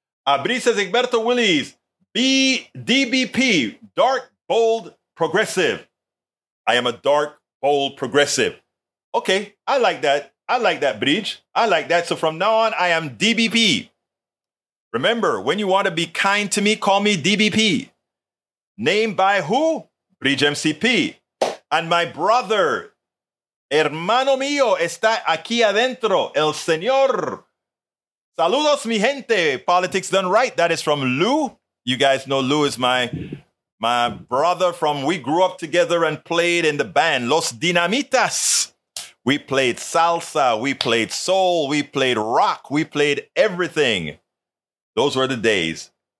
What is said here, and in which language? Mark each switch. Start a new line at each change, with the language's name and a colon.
English: Abri says, Egberto Willis, DBP, dark, bold, progressive. I am a dark, bold, progressive. Okay, I like that. I like that, Bridge. I like that. So from now on, I am DBP. Remember, when you want to be kind to me, call me DBP. Named by who? Bridge MCP. And my brother,
Spanish: hermano mío, está aquí adentro, el señor. Saludos, mi gente.
English: Politics done right. That is from Lou. You guys know Lou is my brother from, we grew up together and played in the band Los Dinamitas. We played salsa, we played soul, we played rock, we played everything. Those were the days.